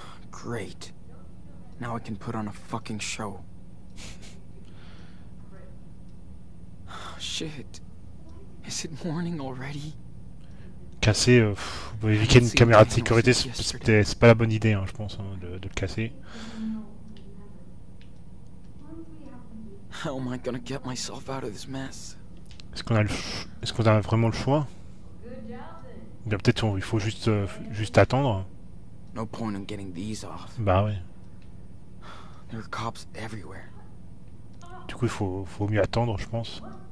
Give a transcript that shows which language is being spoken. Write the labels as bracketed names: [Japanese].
[English] Great. Now I can put on a fucking show. Shit. Is it morning already? [French] Casser. Éviter une caméra de sécurité, c'est pas la bonne idée, hein, je pense, hein, de le casser. [English] How am I gonna get myself out of this mess? [French] Est-ce qu'on a vraiment le choix? Ou bien peut-être il faut juste attendre. [English] No point in getting these off. [French] Bah ouais. [English] There are cops everywhere. [French] Du coup, il faut mieux attendre, je pense.